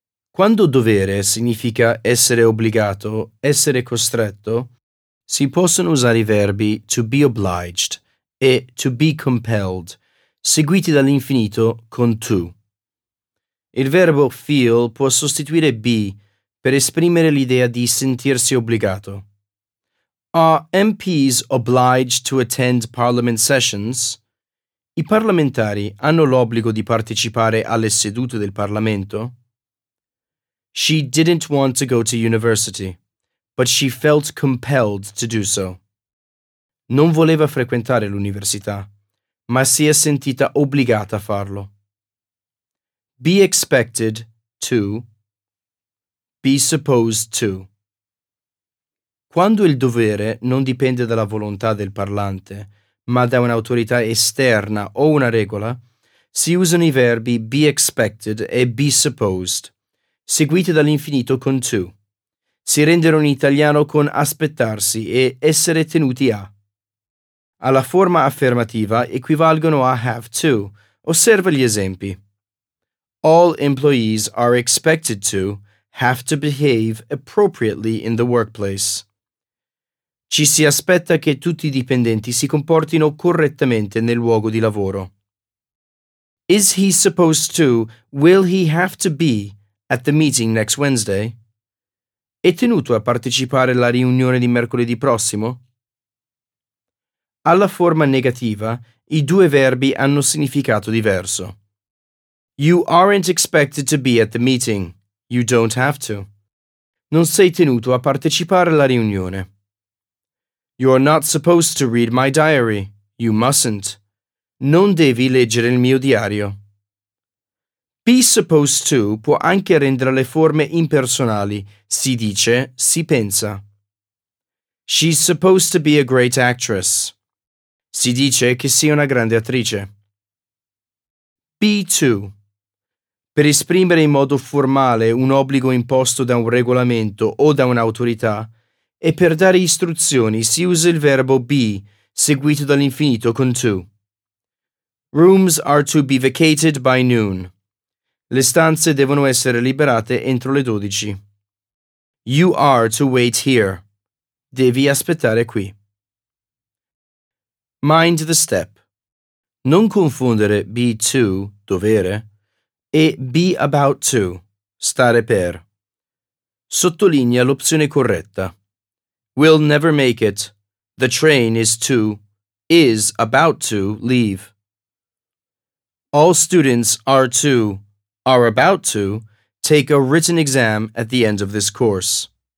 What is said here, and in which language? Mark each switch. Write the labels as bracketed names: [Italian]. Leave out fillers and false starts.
[Italian] Quando dovere significa essere obbligato, essere costretto, si possono usare i verbi to be obliged e to be compelled, seguiti dall'infinito con to. Il verbo feel può sostituire be per esprimere l'idea di sentirsi obbligato. [English] Are MPs obliged to attend parliament sessions? [Italian] I parlamentari hanno l'obbligo di partecipare alle sedute del Parlamento? [English] She didn't want to go to university, but she felt compelled to do so. [Italian] Non voleva frequentare l'università, ma si è sentita obbligata a farlo. [English] Be expected to. Be supposed to. [Italian] Quando il dovere non dipende dalla volontà del parlante, ma da un'autorità esterna o una regola, si usano i verbi be expected e be supposed, seguiti dall'infinito con to. Si rendono in italiano con aspettarsi e essere tenuti a. Alla forma affermativa equivalgono a have to. Osserva gli esempi. [English] All employees are expected to have to behave appropriately in the workplace. [Italian] Ci si aspetta che tutti i dipendenti si comportino correttamente nel luogo di lavoro. [English] Is he supposed to, will he have to be, at the meeting next Wednesday? [Italian] È tenuto a partecipare alla riunione di mercoledì prossimo? Alla forma negativa, i due verbi hanno significato diverso. [English] You aren't expected to be at the meeting. You don't have to. [Italian] Non sei tenuto a partecipare alla riunione. [English] You are not supposed to read my diary. You mustn't. [Italian] Non devi leggere il mio diario. Be supposed to può anche rendere le forme impersonali. Si dice, si pensa. [English] She's supposed to be a great actress. [Italian] Si dice che sia una grande attrice. Be to. Per esprimere in modo formale un obbligo imposto da un regolamento o da un'autorità, e per dare istruzioni si usa il verbo be, seguito dall'infinito con to. [English] Rooms are to be vacated by noon. [Italian] Le stanze devono essere liberate entro le 12. [English] You are to wait here. [Italian] Devi aspettare qui. [English] Mind the step. [Italian] Non confondere be to, dovere, e be about to, stare per. Sottolinea l'opzione corretta. [English] We'll never make it. The train is about to leave. All students are about to take a written exam at the end of this course.